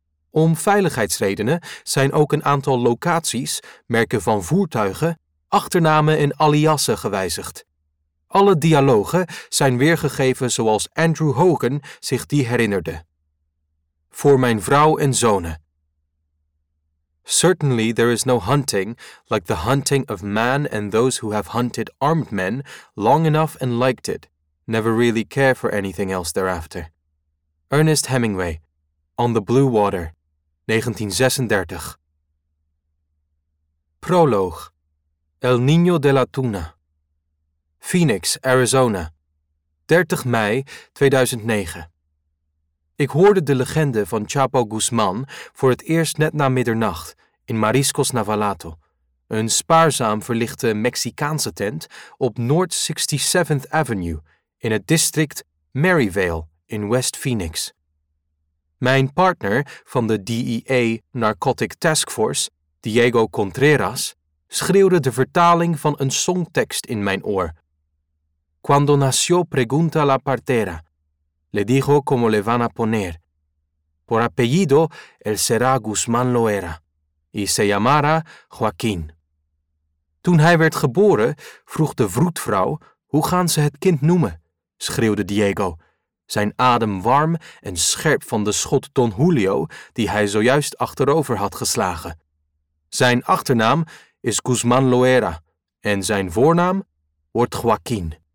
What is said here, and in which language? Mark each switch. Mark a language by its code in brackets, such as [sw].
[nl] Om veiligheidsredenen zijn ook een aantal locaties, merken van voertuigen, achternamen en aliassen gewijzigd. Alle dialogen zijn weergegeven zoals Andrew Hogan zich die herinnerde. Voor mijn vrouw en zonen. [en] Certainly there is no hunting like the hunting of man and those who have hunted armed men long enough and liked it, never really care for anything else thereafter. Ernest Hemingway, On the Blue Water, 1936. [nl] Proloog, El Niño de la Tuna, Phoenix, Arizona, 30 mei 2009. Ik hoorde de legende van Chapo Guzman voor het eerst net na middernacht in Mariscos Navalato, een spaarzaam verlichte Mexicaanse tent op North 67th Avenue in het district Maryvale in West Phoenix. Mijn partner van de DEA Narcotic Task Force, Diego Contreras, schreeuwde de vertaling van een songtekst in mijn oor. [es] Cuando nació pregunta la partera, le dijo cómo le van a poner. Por apellido, él será Guzmán Loera, y se llamará Joaquín. [nl] Toen hij werd geboren, vroeg de vroedvrouw, hoe gaan ze het kind noemen? Schreeuwde Diego, zijn adem warm en scherp van de schot Don Julio, die hij zojuist achterover had geslagen. Zijn achternaam is Guzmán Loera, en zijn voornaam wordt Joaquín.